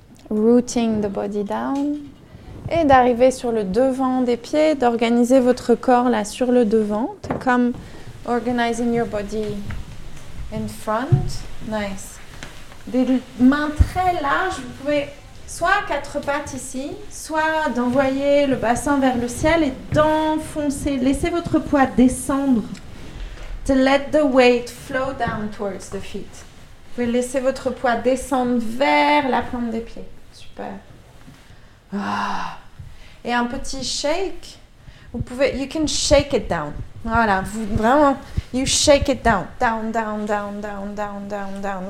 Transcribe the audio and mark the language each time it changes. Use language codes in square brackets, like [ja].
[en] Rooting the body down. [fr] Et d'arriver sur le devant des pieds, d'organiser votre corps là sur le devant. [en] Comme organizing your body in front. Nice. [fr] Des mains très larges, vous pouvez soit à quatre pattes ici, soit d'envoyer le bassin vers le ciel et d'enfoncer. Laissez votre poids descendre. [en] To let the weight flow down towards the feet. [fr] Vous pouvez laisser votre poids descendre vers la plante des pieds. Super. Ah. Et un petit shake, vous pouvez, [en] you can shake it down. [fr] Voilà, vous, vraiment, [en] you shake it down. Down, down, down, down, down, down, down.